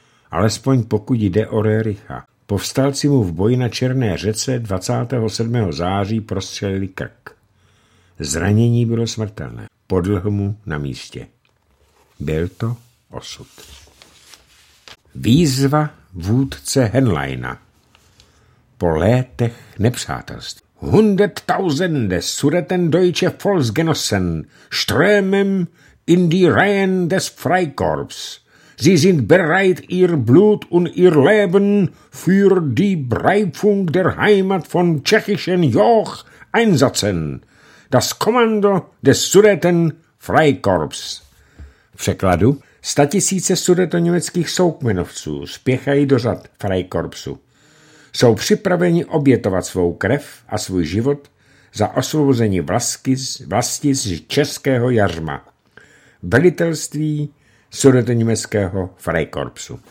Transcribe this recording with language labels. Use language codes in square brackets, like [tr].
[cs] Alespoň pokud jde o Rericha. Povstalci mu v boji na Černé řece 27. září prostřelili krk. Zranění bylo smrtelné. Podlhl mu na místě. Byl to osud. Výzva vůdce Henleina. Po létech nepřátelství. [de] Hunderttausende sureten deutsche Volksgenossen strömen in die Reihen des Freikorps. Sie sind bereit, ihr Blut und ihr Leben für die Befreiung der Heimat von tschechischen Joch einsetzen. Das Kommando des Sudeten Freikorps. [cs] V překladu, statisíce sudetoněmeckých soukmenovců spěchají do řad Freikorpsu. Jsou připraveni obětovat svou krev a svůj život za osvobození vlasti z českého jarma. Velitelství sudetoněmeckého Freikorpsu.